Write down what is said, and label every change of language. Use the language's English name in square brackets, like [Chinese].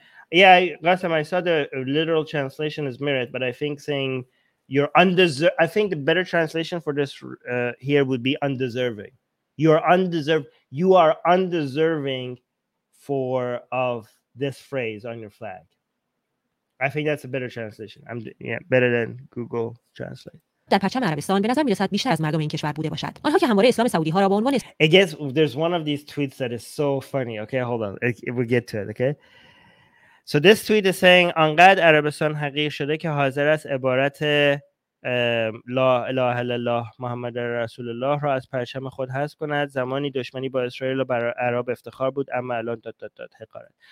[English] Yeah, last time I saw the literal translation is merit, but I think saying you're I think the better translation for this here would be undeserving. You are undeserving of this phrase on your flag. I think that's a better translation. Better than Google Translate. [Persian] در پرچم عربستان به نظر میرسد بیشتر از مردم این کشور بوده باشد. آنها که همواره اسلام سعودی ها را به عنوان [English] I guess there's one of these tweets that is so funny. Okay, hold on. We'll get to it, okay? So this tweet is saying [Persian] انقدر عربستان حقیر شده که حاضر است عبارت لا اله الا الله محمد رسول الله را از پرچم خود حذف کند. زمانی دشمنی با اسرائیل و عرب افتخار بود اما الان داد حقارت.